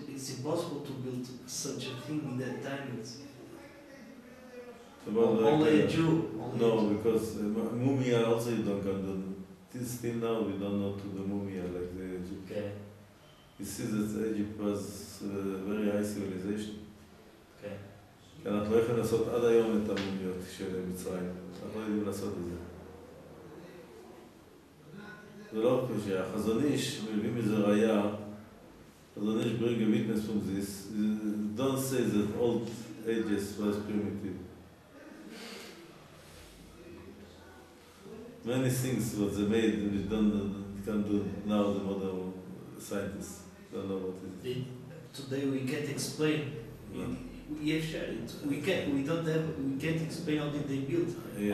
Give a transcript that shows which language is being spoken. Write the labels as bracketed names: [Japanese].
[English] it's impossible to build such a thing in that time. It's about only a Jew. Because mumia also you don't can do. Still now we don't know to the mumia like the Egypt. Okay. You see that Egypt was a very high civilization. Okay. [Hebrew] And אנחנו לא יכולים לעשות עד היום את המומיות של מצרים. אנחנו לא יודעים לעשות את זה. זה לא כפי שהחזון איש מביא מזה ראייה, [English] חזון איש bring a witness from this, don't say that old ages was primitive. Many things what they made which can't do now the modern scientists don't know what it is. Today we can't explain. We can't explain how did they build, yes.